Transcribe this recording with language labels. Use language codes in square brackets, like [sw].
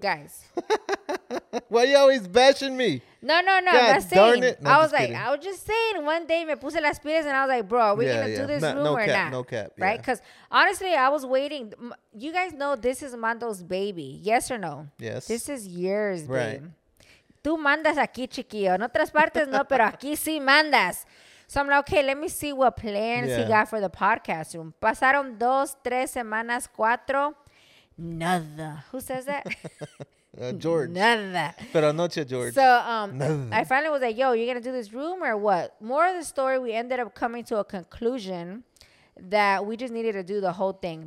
[en] Guys. Why are you always bashing me? No. God, I'm not saying. Darn it. No, I was like, I was just saying one day [es] me puse las pilas [en] and I was like, bro, are we going to do this room or not? No cap. Right? Because honestly, I was waiting. You guys know this is Mando's baby. Yes or no? Yes. This is yours, babe. Right. [es] Tú mandas aquí, chiquillo. En otras partes no, pero aquí sí mandas. [en] So I'm like, okay, let me see what plans he got for the podcast room. [es] Pasaron 2, 3 semanas, 4. Nada. [en] Who says that? George. [es] Nada. Pero anoche, George. [en] So I finally was like, yo, you're going to do this room or what? More of the story, we ended up coming to a conclusion that we just needed to do the whole thing.